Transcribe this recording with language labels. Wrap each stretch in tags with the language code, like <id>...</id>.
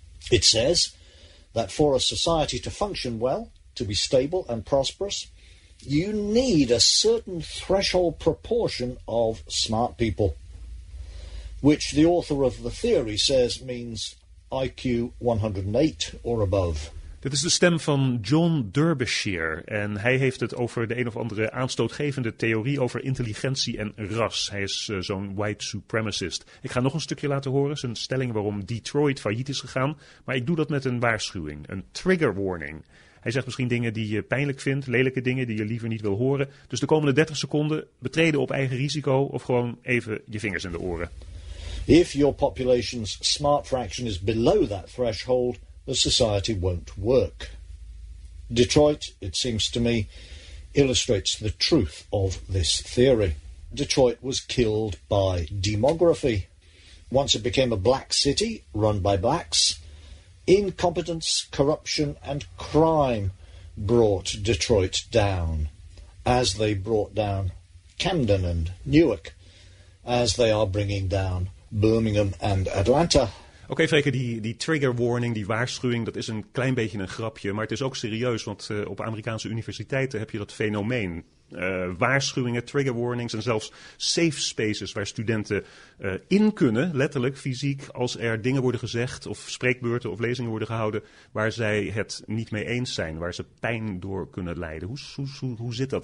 <en>It says that for a society to function well, to be stable and prosperous, you need a certain threshold proportion of smart people. Which the author of the theory says means IQ 108 or above.</en> <nl>Dit is de stem van John Derbyshire. En hij heeft het over de een of andere aanstootgevende theorie over intelligentie en ras. Hij is zo'n white supremacist. Ik ga nog een stukje laten horen, zijn stelling waarom Detroit failliet is gegaan. Maar ik doe dat met een waarschuwing, een trigger warning. Hij zegt misschien dingen die je pijnlijk vindt, lelijke dingen die je liever niet wil horen. Dus de komende 30 seconden betreden op eigen risico of gewoon even je vingers in de oren.</nl> <en>If your population's smart fraction is below that threshold, the society won't work. Detroit, it seems to me, illustrates the truth of this theory. Detroit was killed by demography. Once it became a black city, run by blacks, incompetence, corruption and crime brought Detroit down, as they brought down Camden and Newark, as they are bringing down Birmingham en Atlanta.</en> <nl>Oké, Freke, die trigger warning, die waarschuwing, dat is een klein beetje een grapje. Maar het is ook serieus, want op Amerikaanse universiteiten heb je dat fenomeen. Waarschuwingen, trigger warnings en zelfs safe spaces waar studenten in kunnen, letterlijk, fysiek, als er dingen worden gezegd of spreekbeurten of lezingen worden gehouden waar zij het niet mee eens zijn, waar ze pijn door kunnen lijden. Hoe zit dat?</nl>